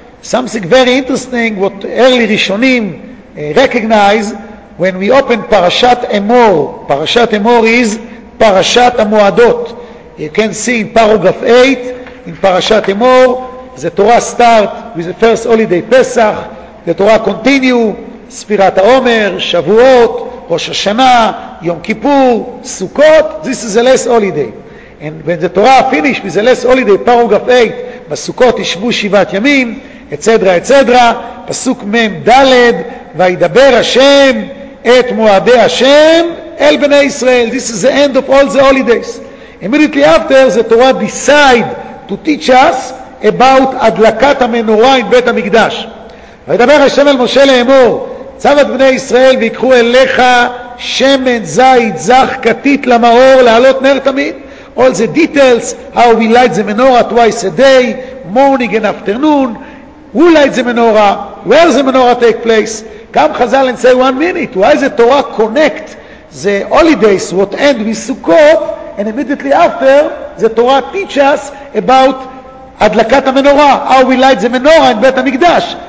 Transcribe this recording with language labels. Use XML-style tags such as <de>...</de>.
<en>Something very interesting, what early Rishonim recognize, when we open Parashat Emor, Parashat Emor is Parashat HaMoadot. You can see in paragraph 8, in Parashat Emor, the Torah start with the first holiday Pesach, the Torah continue, Sfirat HaOmer, Shavuot, Rosh Hashanah, Yom Kippur, Sukkot, this is the last holiday. And when the Torah finish with the last holiday, paragraph 8,</en> <he>בסוכות ישבו שבעת ימים, אצדרה אצדרה, פסוק מם דלד, וידבר השם את מועדי השם אל בני ישראל.</he> <en>This is the end of all the holidays. Immediately after, the Torah decide to teach us about</en> <he>הדלקת המנורה עם בית המקדש. וידבר השם אל משה לאמור, צו את בני ישראל ויקחו אליך שמן זית זך קטית למאור לעלות נר תמיד.</he> <en>All the details, how we light the menorah twice a day, morning and afternoon, who lights the menorah, where the menorah take place. Come Chazal and say one minute, why the Torah connect the holidays, what end with Sukkot, and immediately after, the Torah teach us about הדלקת המנורה, how we light the menorah in בית המקדש.</en>